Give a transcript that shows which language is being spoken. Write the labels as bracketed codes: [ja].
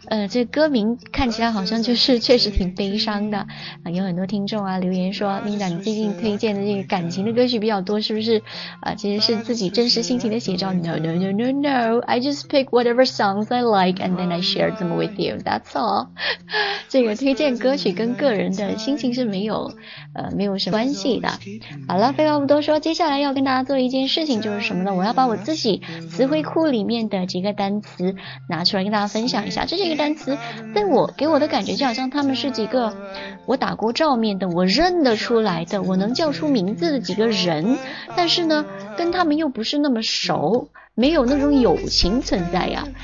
[zh] 这歌名看起来好像就是确实挺悲伤的啊。有很多听众啊留言说，Linda你最近推荐的这个感情的歌曲比较多，是不是啊？其实是自己真实心情的写照。 [en] No, I just pick whatever songs I like and then I share them with you, that's all. [zh] 这个推荐歌曲跟个人的心情是没有什么关系的。好了，废话不多说，接下来要跟大家做一件事情，就是什么呢？我要把我自己词汇库里面的几个单词拿出来跟大家分享一下。这个单词在我给我的感觉就好像他们是几个我打过照面的，我认得出来的，我能叫出名字的几个人，但是呢跟他们又不是那么熟，没有那种友情存在呀。